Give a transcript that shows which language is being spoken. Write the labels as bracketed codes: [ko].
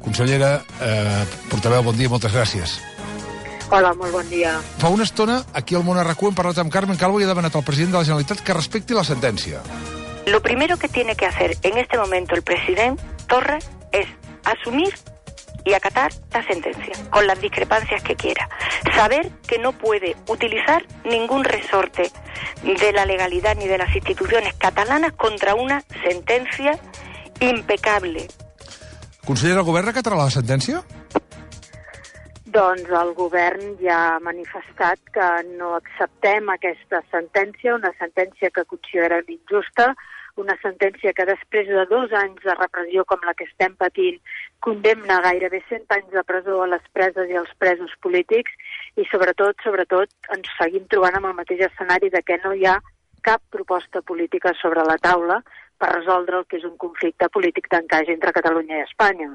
[ca] Consellera, portaveu, bon dia, moltes gràcies. Hola, molt bon dia. Fa una estona, aquí al món a RAC1, hem parlat amb Carmen Calvo i ha demanat al president de la Generalitat que respecti la sentència. [es] Lo primero que tiene que hacer en este momento el presidente Torra es asumir y acatar la sentencia, con las discrepancias que quiera. Saber que no puede utilizar ningún resorte de la legalidad ni de las instituciones catalanas contra una sentencia impecable. [ca] ¿Consellera, el govern acatarà la sentència? Doncs el govern ja ha manifestat que no acceptem aquesta sentència, una sentència que considerem injusta, una sentència que després de 2 anys de repressió com la que estem patint condemna gairebé 100 anys de presó a les preses i als presos polítics i sobretot ens seguim trobant amb el mateix escenari de que no hi ha cap proposta política sobre la taula per resoldre el que és un conflicte polític d'encaix entre Catalunya i Espanya.